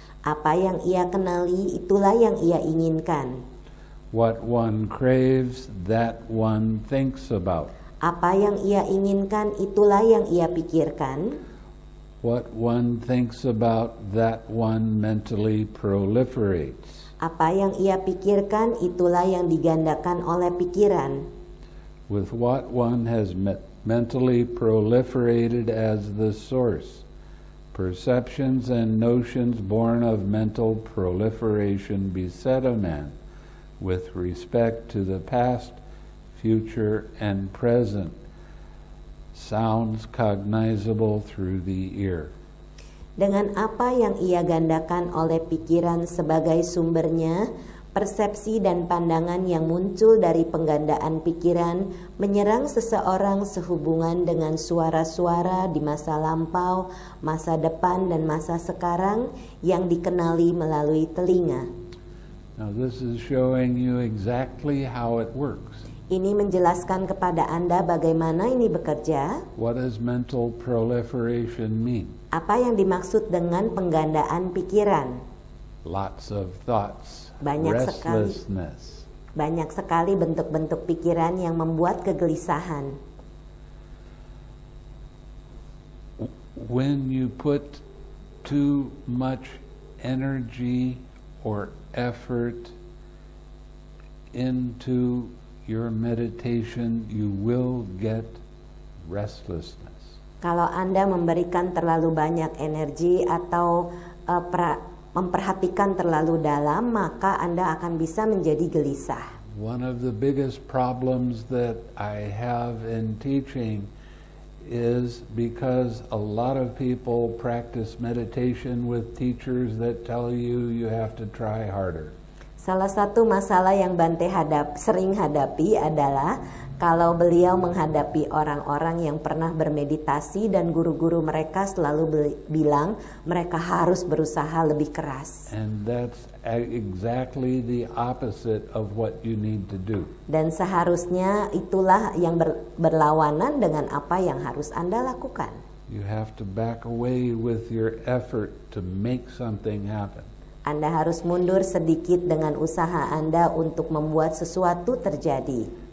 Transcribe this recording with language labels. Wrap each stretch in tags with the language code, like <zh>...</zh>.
<id>Apa yang ia kenali, itulah yang ia inginkan.</id> <en>What one craves, that one thinks about.</en> <id>Apa yang ia inginkan, itulah yang ia pikirkan.</id> <en>What one thinks about, that one mentally proliferates.</en> <id>Apa yang ia pikirkan, itulah yang digandakan oleh pikiran.</id> <en>With what one has mentally proliferated as the source, perceptions and notions born of mental proliferation beset a man with respect to the past, future, and present, sounds cognizable through the ear.</en> <id>Dengan apa yang ia gandakan oleh pikiran sebagai sumbernya, persepsi dan pandangan yang muncul dari penggandaan pikiran menyerang seseorang sehubungan dengan suara-suara di masa lampau, masa depan, dan masa sekarang yang dikenali melalui telinga.</id> <en>Now this is showing you exactly how it works.</en> <id>Ini menjelaskan kepada Anda bagaimana ini bekerja.</id> <en>What does mental proliferation mean?</en> <id>Apa yang dimaksud dengan penggandaan pikiran?</id> <en>Lots of thoughts.</en> <id>Banyak</id> <en>restlessness.</en> <id>Sekali, banyak sekali bentuk-bentuk pikiran yang membuat kegelisahan.</id> <en>When you put too much energy or effort into your meditation, you will get restlessness.</en> <id>Kalau Anda memberikan terlalu banyak energi atau memperhatikan terlalu dalam, maka Anda akan bisa menjadi gelisah.</id> <en>One of the biggest problems that I have in teaching is because a lot of people practice meditation with teachers that tell you you have to try harder.</en> <id>Salah satu masalah yang Bante sering hadapi adalah kalau beliau menghadapi orang-orang yang pernah bermeditasi dan guru-guru mereka selalu bilang mereka harus berusaha lebih keras.</id> <en>And that's exactly the opposite of what you need to do.</en> <id>Dan seharusnya itulah yang berlawanan dengan apa yang harus Anda lakukan.</id> <en>You have to back away with your effort to make something happen.</en> <id>Anda harus mundur sedikit dengan usaha Anda untuk membuat sesuatu terjadi.</id>